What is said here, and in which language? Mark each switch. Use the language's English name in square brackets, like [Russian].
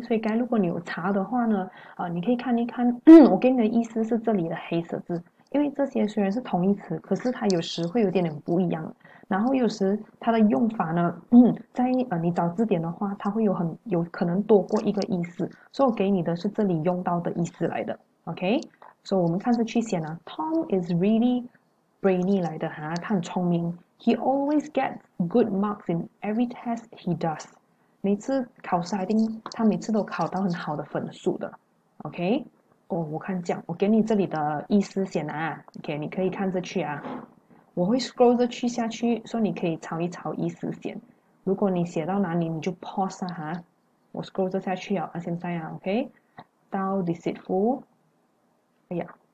[Chinese] 所以该如果你有查的话呢，你可以看一看，我给你的意思是这里的黑色字，因为这些虽然是同义词，可是它有时会有点不一样，然后有时它的用法呢，在你找字典的话，它会有可能多过一个意思，所以我给你的是这里用到的意思来的，OK？所以我们看这句写呢， [English] Tom is really Brainy [Chinese] 来的哈，他很聪明。 [English] He always gets good marks in every test he does。 [Chinese] 每次考试一定，他每次都考到很好的分数的。 OK，哦，我看讲，我给你这里的意思写啊。 OK，你可以看着去啊。我会 scroll 着去下去，说你可以抄一抄意思写。如果你写到哪里，你就 pause 啊哈。我 scroll 着下去啊，现在啊，OK，到 deceitful。哎呀。